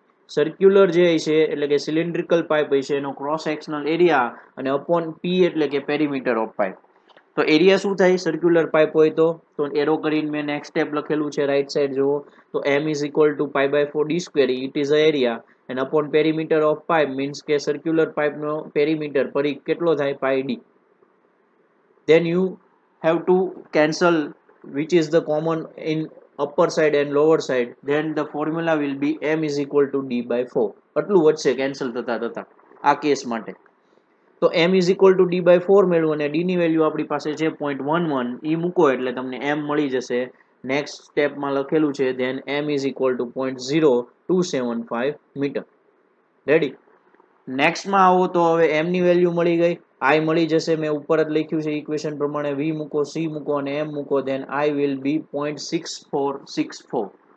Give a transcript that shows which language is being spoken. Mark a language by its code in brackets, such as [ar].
[gu] Circular જે છે એટલે કે સિલિન્ડ્રિકલ પાઇપ હશે એનો ક્રોસ સેક્શનલ એરિયા, અને અપોન પી એટલે કે પેરીમીટર ઓફ પાઇપ. તો એરિયા શું થાય સર્ક્યુલર પાઇપ હોય તો, તો એરો કરીને મેં નેક્સ્ટ સ્ટેપ લખેલું છે રાઈટ સાઈડ જુઓ તો [en] એમ is equal to pi by four d square it is a area, and upon perimeter of pipe [gu] means કે સર્ક્યુલર પાઇપનો પેરીમીટર પરિઘ કેટલો થાય pi D. [en] Then you have to cancel which is the common in upper side and lower side. Then the formula will be m is equal to d by 4. [gu] એટલું વધશે cancel થતા થતા આ case માટે. તો [en] m is equal to d by 4 [gu] મેળવું અને d ની વેલ્યુ આપણી પાસે છે 0.11, એ મૂકો એટલે તમને m મળી જશે. નેક્સ્ટ સ્ટેપમાં લખેલું છે [en] then m is equal to 0.0275 [gu] metre. Ready? નેક્સ્ટમાં આવો તો હવે m ની વેલ્યુ મળી ગઈ, આઈ મળી જશે, મેં ઉપર જ લખ્યું છે ઇક્વેશન પ્રમાણે વી મૂકો સી મૂકો અને એમ મૂકો [en] Then I will be 0.6464.